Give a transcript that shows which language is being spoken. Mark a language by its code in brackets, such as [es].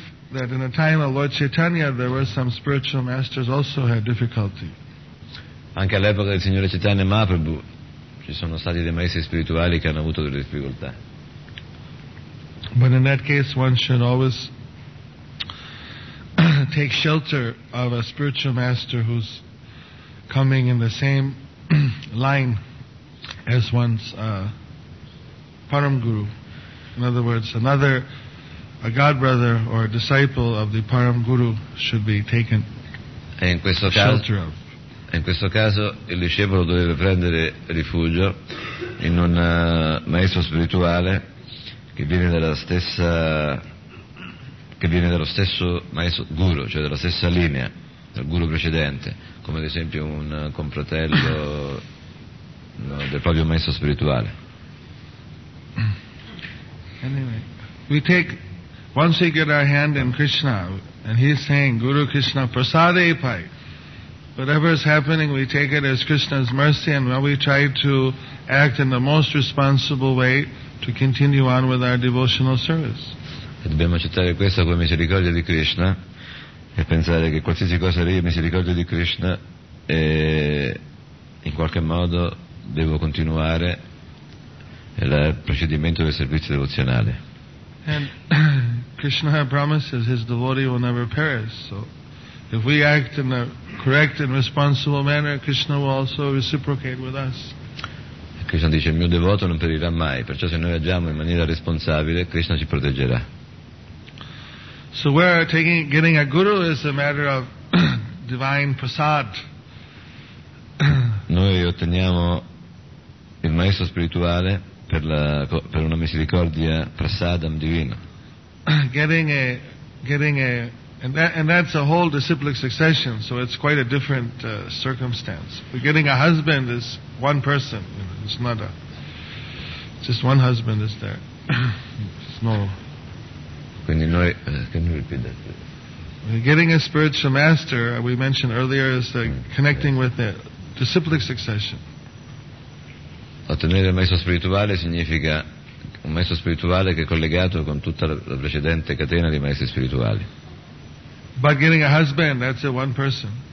[en] That in the time of Lord Chaitanya there were some spiritual masters also had difficulty. [it] Anche all'epoca del signore Chaitanya Mahaprabhu ci sono stati dei maestri spirituali che hanno avuto delle difficoltà. [en] But in that case one should always take shelter of a spiritual master who's coming in the same line as one's param guru. In other words, another a god brother or a disciple of the param guru should be taken shelter of. [it] In questo caso il discepolo dovrebbe prendere rifugio in un maestro spirituale che viene dallo stesso maestro guru, cioè dalla stessa linea del guru precedente, come ad esempio un confratello del proprio maestro spirituale. [en] Anyway, we take, once we get our hand in Krishna, and he's saying, Guru Krishna Prasade Pai, whatever is happening, we take it as Krishna's mercy, and when we try to act in the most responsible way to continue on with our devotional service. [it] E dobbiamo accettare questo come misericordia di Krishna e pensare che qualsiasi cosa lì è misericordia di Krishna, e in qualche modo devo continuare il procedimento del servizio devozionale. [en] And Krishna promises his devotee will never perish. So if we act in a correct and responsible manner, Krishna will also reciprocate with us. [it] Krishna dice: il mio devoto non perirà mai, perciò se noi agiamo in maniera responsabile, Krishna ci proteggerà. [en] So we're taking, getting a guru is a matter of divine prasad. [it] Noi otteniamo il maestro spirituale per una misericordia, prasadam divino. [en] That's a whole disciplic succession, so it's quite a different circumstance. But getting a husband is one person, you know, it's not a, just one husband is there. It's no. [it] Quindi noi, [en] can you repeat that? Getting a spiritual master, we mentioned earlier, is the connecting with the disciplic succession. [it] Ottenere il maestro spirituale significa un maestro spirituale che è collegato con tutta la precedente catena di maestri spirituali. [en] But getting a husband, that's a one person.